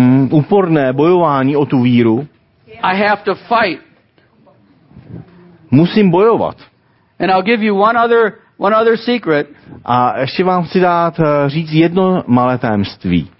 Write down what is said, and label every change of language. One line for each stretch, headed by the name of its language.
Czech: úporné bojování o tu víru.
English: I have to fight.
Czech: Musím bojovat.
English: And I'll give you one other secret.
Czech: A ještě vám chci dát říct jedno malé tajemství.